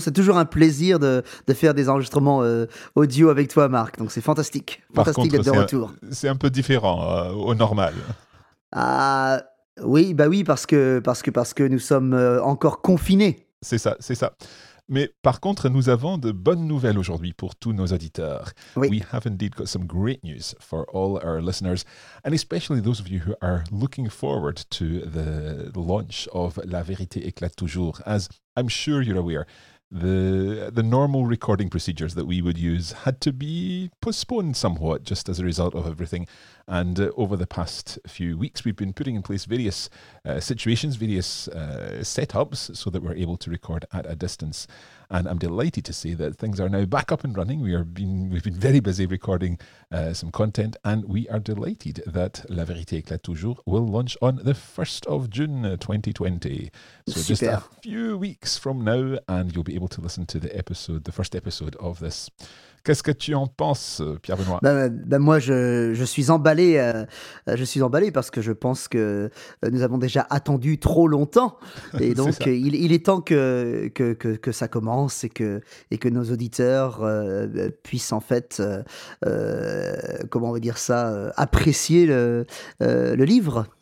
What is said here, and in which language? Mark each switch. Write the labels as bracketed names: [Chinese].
[French] C'est toujours un plaisir de faire des enregistrements audio avec toi, Marc. Donc, c'est fantastique. Fantastique d'être de retour. C'est un peu différent au normal. Oui, bah oui, parce que nous sommes encore confinés. C'est ça, c'est ça. Mais par contre, nous avons de bonnes nouvelles aujourd'hui pour tous nos auditeurs. Oui. [English] We have indeed got some great news for all our listeners, and especially those of you who are looking forward to the launch of La Vérité Éclate Toujours. As I'm sure you're aware, the normal recording procedures that we would use had to be postponed somewhat just as a result of everything. And over the past few weeks, we've been putting in place various situations, various setups, so that we're able to record at a distance. And I'm delighted to say that things are now back up and running. We've been very busy recording some content, and we are delighted that La Vérité Éclate Toujours will launch on the 1st of June 2020. So super. Just a few weeks from now, and you'll be able to listen to the first episode of this. [French] Qu'est-ce que tu en penses, Pierre-Benoît ? Ben moi, je suis emballé. Je suis emballé parce que je pense que nous avons déjà attendu trop longtemps. Et donc, il est temps que ça commence et que nos auditeurs puissent en fait, comment on veut dire ça, apprécier le livre.